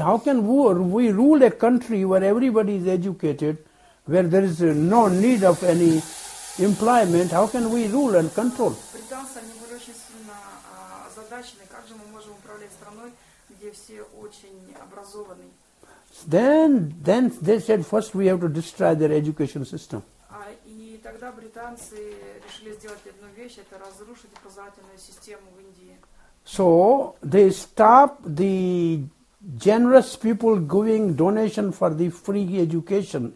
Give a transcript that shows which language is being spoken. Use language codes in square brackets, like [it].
[en] How can we rule a country where everybody is educated, where there is no need of any employment? How can we rule and control? [ru] Британцы, они были очень сильно озадачены. Как же мы можем управлять страной, где все очень образованы? [en] Then they said, first we have to destroy their education system. [ru] Тогда британцы решили сделать одну вещь, это разрушить образовательную систему в Индии. [en] So they stop the generous people giving donation for the free education.